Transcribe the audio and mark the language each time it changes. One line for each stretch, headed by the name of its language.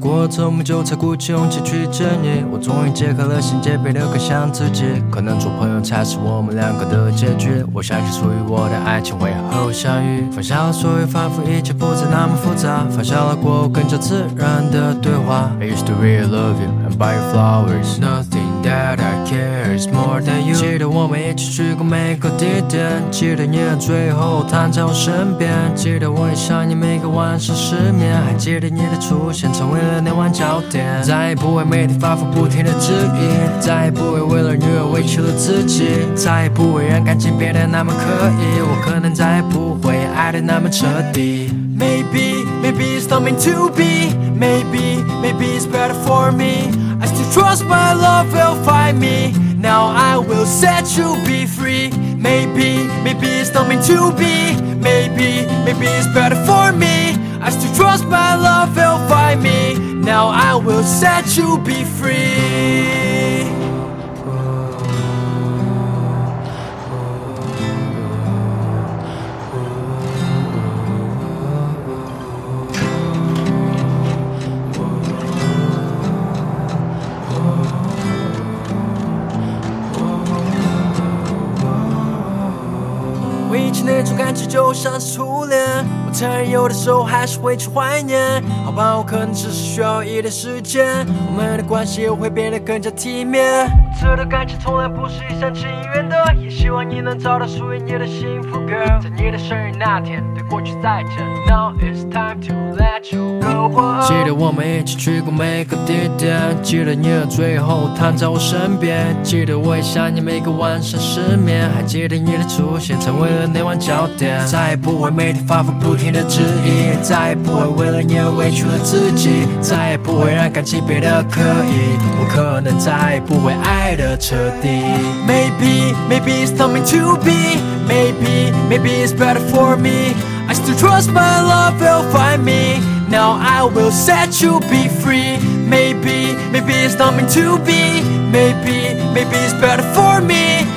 Chinese: 这么久才鼓起勇气去见你，我终于解开了心结，别留个想自己。可能做朋友才是我们两个的结局。我相信属于我的爱情会和我相遇。放下了所有，仿佛一切不再那么复杂。放下了过后，更加自然的对话。
English: I used to really love you and buy you flowers. Nothing that I care is more than you.
Chinese: 记得我们一起去过每个地点，记得你的最后躺在我身边，记得我也想你每个晚上失眠，还记得你的出现成为了那。再也不会每天反复不停的质疑，再也不会为了女儿委屈了自己，再也不会让感情变得那么刻意，我可能再也不会爱得那么彻底。
English: Maybe, maybe it's not meant to be. Maybe, maybe it's better for me. I still trust my love will find me. Now I will set you be free. Maybe, maybe it's not meant to be. Maybe, maybe it's better for me. I still trust my love will find meNow I will set you be free.
Chinese: 回忆起那种感觉就像是初恋，承认有的时候还是会去怀念，好吧，我可能只是需要一点时间，我们的关系也会变得更加体面。这段感情从来不是一厢情愿的，也希望你能找到属于你的幸福 girl， 在你的生日那天对过去再见。
English: Now it's time to let you go。
Chinese: 记得我们一起去过每个地点，记得你的最后躺在我身边，记得我也想你每个晚上失眠，还记得你的出现成为了那晚焦点。再也不会每天反复不停的质疑，再也不会为了你而委屈了自己，再也不会让感情变得刻意，我可能再也不会爱得彻底。
English: Maybe, maybe it's not meant to be. Maybe, maybe it's better for me. I still trust my love will find meNow I will set you be free. Maybe, maybe it's not meant to be. Maybe, maybe it's better for me.